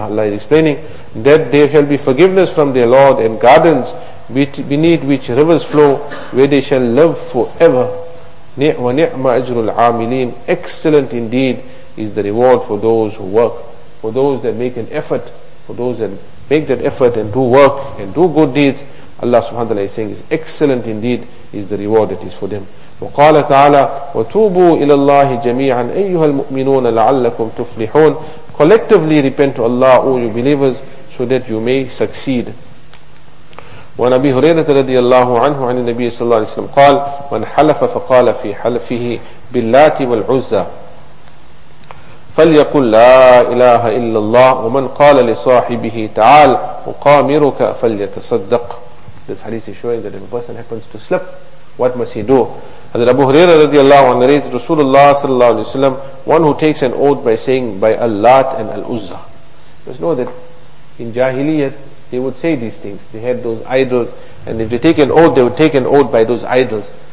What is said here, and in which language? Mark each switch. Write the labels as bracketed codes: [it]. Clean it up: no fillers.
[en] Allah is explaining that there shall be forgiveness from their Lord and gardens beneath which rivers flow, where they shall live forever. [ar] Ni'ma ni'ma ajrul amilin. [en] Excellent indeed is the reward for those who work, for those that make an effort, for those that make that effort and do work and do good deeds. Allah subhanahu wa ta'ala is saying, is excellent indeed is the reward that is for them. [ar] وقال تعالى وتوبوا إلى الله جميعا أيها المؤمنون لعلكم تفلحون. [en] Collectively repent to Allah, O you believers, so that you may succeed. [ar] وعن أبي هريرة رضي الله عنه عن النبي صلى الله عليه وسلم قال من حلف فقال في حلفه باللات والعزى فليقل لا إله إلا الله ومن قال لصاحبه تعال أقامرك فليتصدق. [en] This hadith is showing that if a person happens to slip, what must he do? Hazrat Abu Huraira radiallahu anhu narrates, Rasulullah sallallahu alayhi wa sallam, one who takes an oath by saying, by Allat and Al-Uzza. You must know that in Jahiliyyah, they would say these things. They had those idols, and if they take an oath, they would take an oath by those idols.